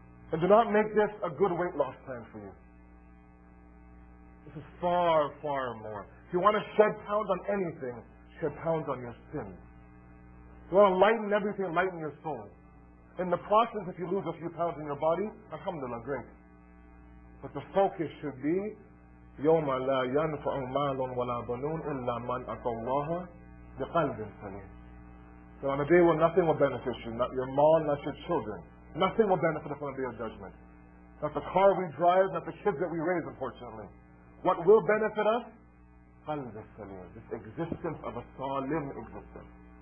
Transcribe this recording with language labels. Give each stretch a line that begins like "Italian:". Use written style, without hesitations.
English: And do not make this a good weight loss plan for you. This is far, far more. If you want to shed pounds on anything, shed pounds on your sins. If you want to lighten everything, lighten your soul. In the process, if you lose a few pounds in your body, alhamdulillah, great. But the focus should be,
Arabic: يَوْمَ لَا يَنْفَعُ مَالٌ وَلَا بَنُونَ إِلَّا مَنْ أَتَى اللَّهَ بِقَلْبٍ سَلِيمٍ.
English: So on a day when nothing will benefit you, not your mom, not your children, nothing will benefit us on the day of judgment. Not the car we drive, not the kids that we raise, unfortunately. What will benefit us? قلب السليم. This existence of a salim existence.